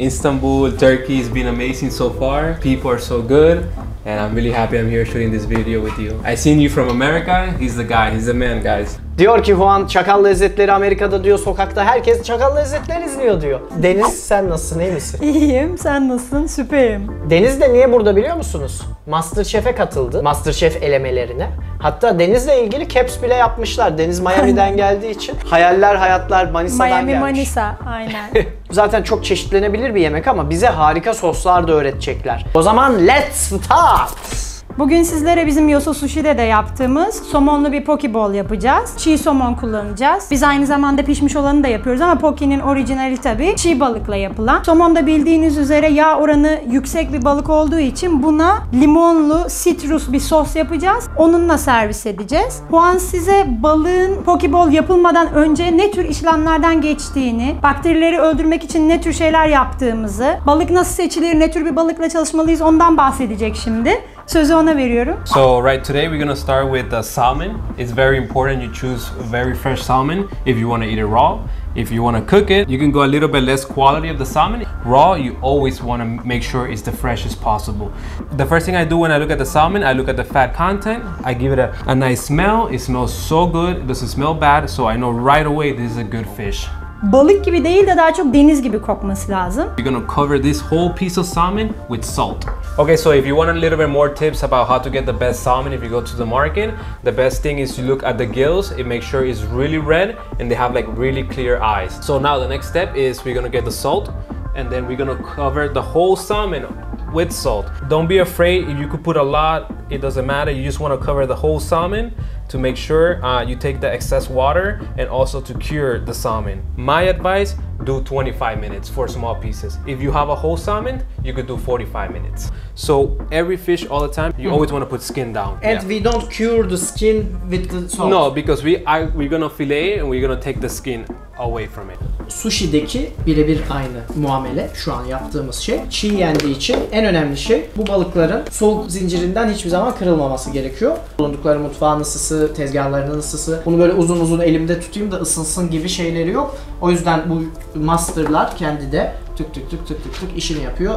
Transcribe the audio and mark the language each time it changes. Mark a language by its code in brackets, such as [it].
[en] Istanbul, Turkey has been amazing so far. People are so good. And I'm really happy I'm here shooting this video with you. I seen you from America. He's the guy, he's the man, guys. [tr] Diyor ki Juan, çakal lezzetleri Amerika'da diyor, sokakta herkes çakal lezzetleri izliyor diyor. Deniz, sen nasılsın, iyi misin? İyiyim, sen nasılsın, süperim. Deniz de niye burada biliyor musunuz? MasterChef'e katıldı, MasterChef elemelerine. Hatta Deniz'le ilgili caps bile yapmışlar, Deniz Miami'den geldiği için. Hayaller hayatlar Manisa'dan Miami, gelmiş. Miami Manisa, aynen. Zaten çok çeşitlenebilir bir yemek ama bize harika soslar da öğretecekler. O zaman [en] let's start! [tr] Bugün sizlere bizim Yosu Sushi'de de yaptığımız somonlu bir poke bowl yapacağız. Çiğ somon kullanacağız. Biz aynı zamanda pişmiş olanı da yapıyoruz ama poke'nin orijinali tabii çiğ balıkla yapılan. Somon da bildiğiniz üzere yağ oranı yüksek bir balık olduğu için buna limonlu, sitrus bir sos yapacağız. Onunla servis edeceğiz. Juan size balığın poke bowl yapılmadan önce ne tür işlemlerden geçtiğini, bakterileri öldürmek için ne tür şeyler yaptığımızı, balık nasıl seçilir, ne tür bir balıkla çalışmalıyız ondan bahsedecek şimdi. Sözü ona veriyorum. [en] So right today we're gonna start with the salmon. It's very important you choose very fresh salmon if you want to eat it raw. If you want to cook it, you can go a little bit less quality of the salmon. Raw, you always want to make sure it's the freshest possible. The first thing I do when I look at the salmon, I look at the fat content. I give it a nice smell. It smells so good. It doesn't smell bad, so I know right away this is a good fish. [tr] Balık gibi değil de daha çok deniz gibi kokması lazım. [en] You're gonna cover this whole piece of salmon with salt. Okay, so if you want a little bit more tips about how to get the best salmon if you go to the market, the best thing is you look at the gills and make sure it's really red and they have like really clear eyes. So now the next step is we're gonna get the salt and then we're gonna cover the whole salmon with salt. Don't be afraid, you could put a lot, it doesn't matter, you just want to cover the whole salmon. to make sure you take the excess water and also to cure the salmon. My advice, do 25 minutes for small pieces. If you have a whole salmon, you could do 45 minutes. So every fish all the time, you always want to put skin down. And yeah. We don't cure the skin with the salt. No, because we're gonna fillet and we're gonna take the skin away from it. [tr] Sushi'deki birebir aynı muamele şu an yaptığımız şey. Çiğ yendiği için en önemli şey bu balıkların soğuk zincirinden hiçbir zaman kırılmaması gerekiyor. Bulundukları mutfağın ısısı, tezgahlarının ısısı, bunu böyle uzun uzun elimde tutayım da ısınsın gibi şeyleri yok. O yüzden bu masterlar kendi de tık tık tık tık tık tık işini yapıyor.